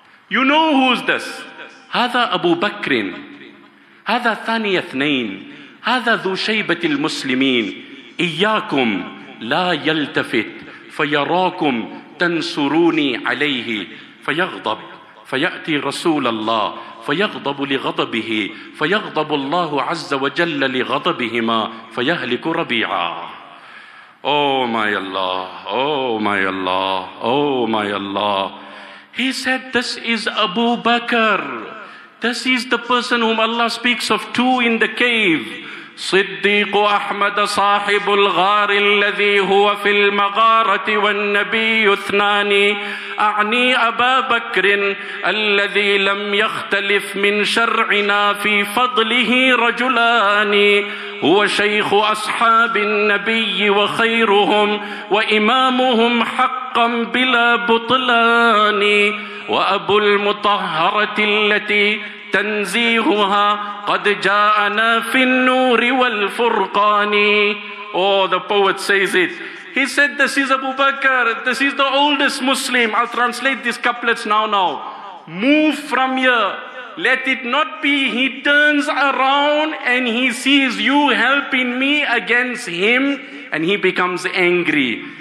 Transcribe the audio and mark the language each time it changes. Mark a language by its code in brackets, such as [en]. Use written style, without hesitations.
[en] You know who's this. [ar] هَذَا أَبُو بَكْرٍ هَذَا ثَانِيَ اثْنَيْنِ هَذَا ذُو شَيْبَةِ الْمُسْلِمِينَ إِيَّاكُمْ لَا يَلْتَفِتْ فَيَرَاكُمْ تَنْصُرُونِي عَلَيْهِ فَيَغْضَبْ فَيَأْتِي رَسُولَ اللَّهِ فَيَغْضَبُ لِغَضَبِهِ فَيَغْضَبُ اللَّهُ عَزَّ وَجَلَّ لِغَضَبِهِمَا فَيَهْلِكُ رَبِيعًا. [en] Oh my Allah, oh my Allah, oh my Allah. He said, this is Abu Bakr. This is the person whom Allah speaks of two in the cave. [ar] صديق أحمد صاحب الغار الذي هو في المغارة والنبي اثنان أعني أبا بكر الذي لم يختلف من شرعنا في فضله رجلان هو شيخ أصحاب النبي وخيرهم وإمامهم حقا بلا بطلان وأبو المطهرة التي تنزيهها قد جاءنا في النور والفرقان. [en] Oh, the poet says it. He said, this is Abu Bakr. This is the oldest Muslim. I'll translate these couplets now. Move from here. Let it not be he turns around and he sees you helping me against him and he becomes angry.